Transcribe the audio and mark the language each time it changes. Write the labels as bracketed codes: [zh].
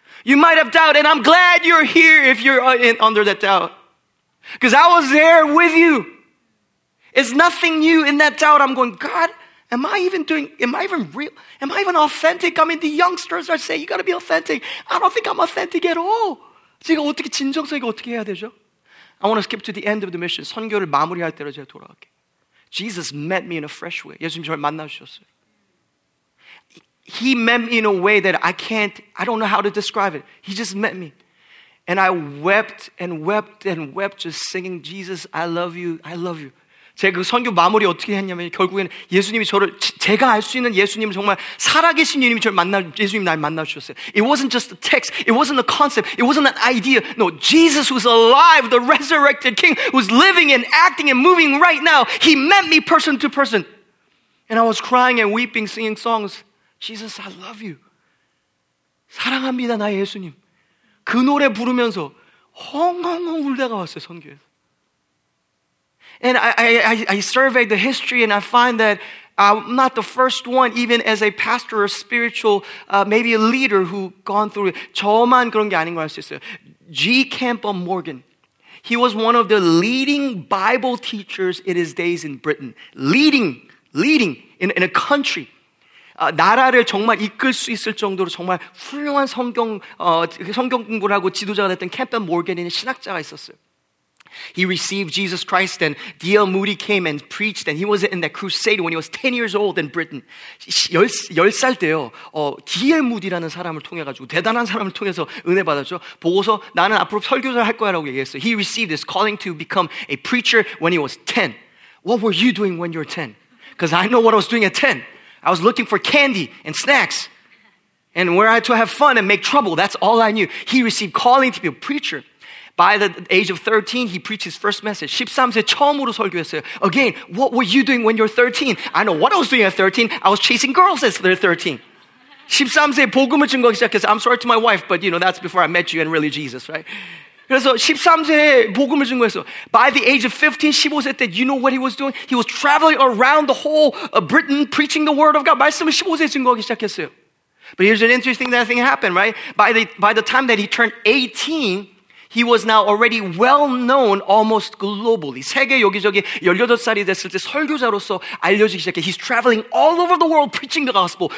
[en] You might have doubt, and I'm glad you're here if you're under that doubt. Because I was there with you. It's nothing new in that doubt. I'm going, God, am I even real? Am I even authentic? I mean, the youngsters are saying, you got to be authentic. I don't think I'm authentic at all. [ko] 제가 어떻게 진정성 이거 어떻게 해야 되죠? [en] I want to skip to the end of the mission. [ko] 선교를 마무리할 때로 제가 돌아갈게요. [en] Jesus met me in a fresh way. [ko] 예수님 저를 만나주셨어요. [en] He met me in a way that I don't know how to describe it. He just met me. And I wept and wept and wept just singing, Jesus, I love you, I love you. [ko] 제가 그 선교 마무리 어떻게 했냐면 결국에는 예수님이 저를, 제가 알 수 있는 예수님을 정말 살아계신 예수님이 저를 만나, 예수님이 날 만나주셨어요. [en] It wasn't just a text. It wasn't a concept. It wasn't an idea. No, Jesus was alive, the resurrected king, was living and acting and moving right now. He met me person to person. And I was crying and weeping, singing songs. Jesus, I love you. [ko] 사랑합니다, 나의 예수님. 그 노래 부르면서 헝헝헝 울다가 왔어요, 선교에서. [en] And I surveyed the history and I find that I'm not the first one, even as a pastor or spiritual, maybe a leader who gone through it. [ko] 저만 그런 게 아닌 걸 알 수 있어요. [en] G. Campbell Morgan. He was one of the leading Bible teachers in his days in Britain. Leading in a country. [ko] 나라를 정말 이끌 수 있을 정도로 정말 훌륭한 성경 공부를 하고 지도자가 됐던 캠벨 모건이라는 신학자가 있었어요. [en] He received Jesus Christ and D.L. Moody came and preached and he was in that crusade when he was 10 years old in Britain. [ko] 10살 때요. D.L. Moody라는 사람을 통해가지고 대단한 사람을 통해서 은혜 받았죠. 보고서 나는 앞으로 설교자를 할 거야 라고 얘기했어요. [en] He received this calling to become a preacher when he was 10. What were you doing when you were 10? Because I know what I was doing at 10. I was looking for candy and snacks and where I had to have fun and make trouble. That's all I knew. He received calling to be a preacher. By the age of 13, he preached his first message. [ko] 13세 처음으로 설교했어요. [en] Again, what were you doing when you were 13? I know what I was doing at 13. I was chasing girls at 13. [ko] 13세 복음을 증거하기 시작했어요. [en] I'm sorry to my wife, but you know, that's before I met you and really Jesus, right? [ko] 그래서 13세에 복음을 증거했어. [en] By the age of 15, [ko] 15세 때, [en] you know what he was doing? He was traveling around the whole of Britain preaching the word of God. [ko] 말씀을 15세에 증거하기 시작했어요. [en] But here's an interesting thing that happened, right? By the time that he turned 18, he was now already well known almost globally. [ko] 세계 여기저기 18살이 됐을 때 설교자로서 알려지기 시작해. [en] He's traveling all over the world preaching the gospel.